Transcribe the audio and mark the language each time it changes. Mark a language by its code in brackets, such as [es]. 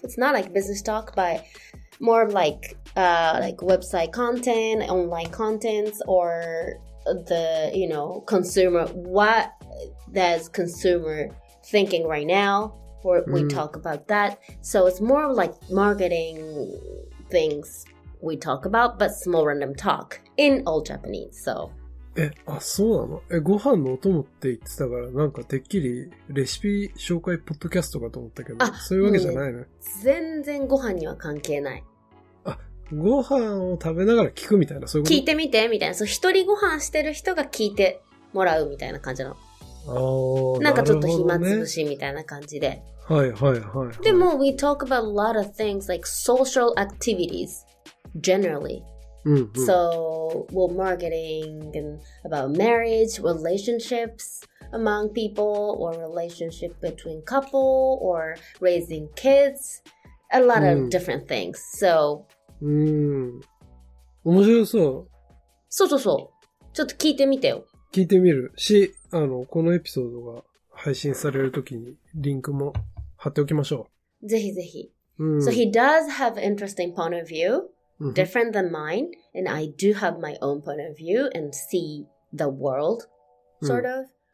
[en] It's not like business talk, but more of like website content, online contents, or the, you know, consumer, what does consumer thinking right now? Or we talk about that. So it's more of like marketing things. We talk about, but small random talk in all Japanese. So, [ja] え、あ、そうなの。え、ご飯のお供って言ってたから、なんかてっきりレシピ紹介ポッドキャストかと思ったけど、そういうわけじゃないね。全然ご飯には関係ない。あ、ご飯を食べながら聞くみたいな、そういうこと。聞いてみてみたいな。そう、一人ご飯してる人が聞いてもらうみたいな感じの。なんかちょっと暇つぶしみたいな感じで。はいはいはい。でも [en] we talk about a lot of things like social activities. Generally, so well, marketing and about marriage, relationships among people, or relationship between couple, or raising kids, a lot of different things. So, [ja] 面白そう。そうそうそう。ちょっと聞いてみてよ。聞いてみるし、このエピソードが配信されるときにリンクも貼っておきましょう。ぜひぜひ。 [en] So he does have interesting point of view. Different than mine, and I do have my own point of view and see the world, sort of.